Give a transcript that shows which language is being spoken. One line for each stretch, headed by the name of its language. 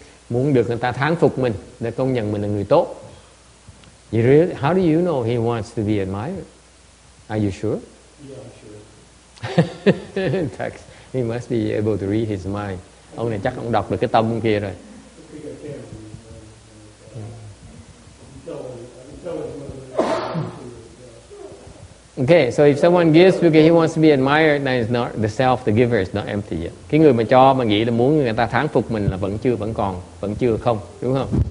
Vietnamese: Muốn được người ta thán phục mình, để công nhận mình là người tốt.
English: You really, how do you know he wants to be admired? Are you sure? Yeah, I'm sure. In fact, he must be able to read his mind.
Vietnamese: Ông này chắc ông đọc được cái tâm kia rồi.
English: Okay, so if someone gives because he wants to be admired, then it's not the self, the giver is not empty yet.
Vietnamese: Cái người mà cho mà nghĩ là muốn người ta thán phục mình là vẫn chưa không, đúng không?